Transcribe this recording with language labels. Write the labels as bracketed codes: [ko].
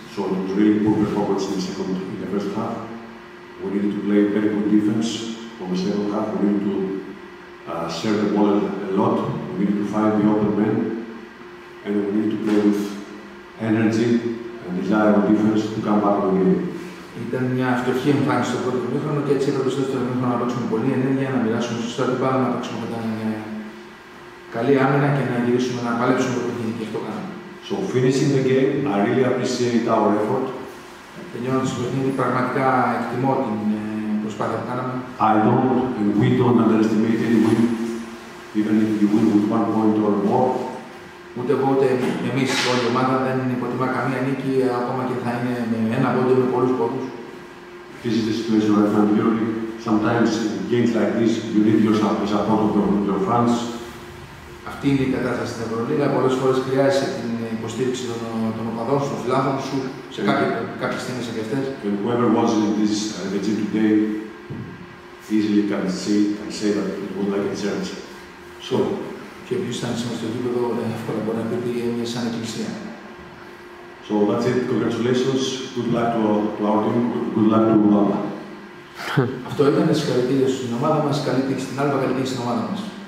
[en] So it was really poor performance in the second, in the first half. We needed to play very good defense for the second half. We needed to share the ball a lot. We needed to find the open men. And we needed to play with energy and desire on defense to come back on the game. [el] Ήταν μια φτωχή εμφάνιση στο πρώτο μήχρονο και έτσι έπρεπε στο δεύτερο μήχρονο να παίξουμε πολύ ενέργεια, να μοιράσουμε σωστά την μπάλα, να παίξουμε μετά μια καλή άμυνα και να γυρίσουμε να παλέψουμε το παιχνίδι και αυτό κάναμε. [en] So finishing the game, I really appreciate our effort. [el] Τελειώνοντας το παιχνίδι, πραγματικά εκτιμώ την προσπάθεια που κάναμε. [en] I don't and we don't underestimate any win, even if you win with one point or more. [el] Ούτε εγώ ούτε εμείς όλη η ομάδα δεν υποτιμά καμία νίκη, ακόμα και θα είναι με ένα πόντο με πολλούς πόντους. [en] This is the situation where I find Europe. Sometimes in games like this, you need yourself the support of your fans. [el] Αυτή είναι η κατάσταση στην Ευρωλίγα. Πολλές φορές χρειάζεσαι την υποστήριξη των οπαδών, των φιλάθλων σου, σε κάποιες στιγμές και αυτές. [en] And whoever was in this regime today, easily can say that it was like a church. So, [el] και ποιος ήταν σήμερα στο γήπεδο, εύκολα μπορεί να πει ότι είναι σαν εκκλησία. [en] So that's it. Congratulations. Good luck to our team. Good luck to Ulama. [el] Αυτό ήταν. Συγχαρητήρια στην ομάδα μας. Καλή τύχη στην Άλβα. Καλή τύχη στην ομάδα μας.